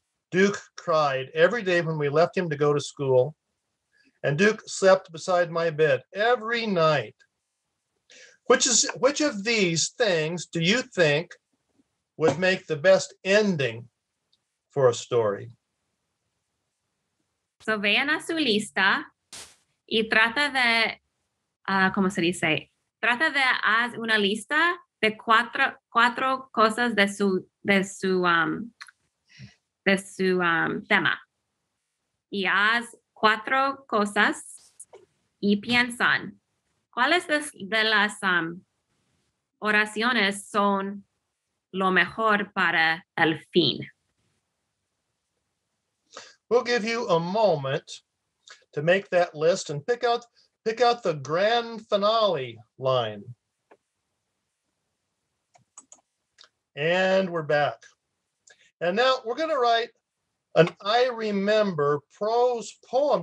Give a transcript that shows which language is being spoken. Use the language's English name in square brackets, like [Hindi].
[English] Duke cried every day when we left him to go to school. And Duke slept beside my bed every night. Which of these things do you think would make the best ending for a story? [Spanish] So vean a su lista y trata de, ¿cómo se dice? Trata de haz una lista de cuatro cosas de su tema. Y haz cuatro cosas y piensan cuáles de las oraciones son lo mejor para el fin. [English] We'll give you a moment to make that list and pick out the grand finale line. And we're back. And now we're going to write an I remember prose poem.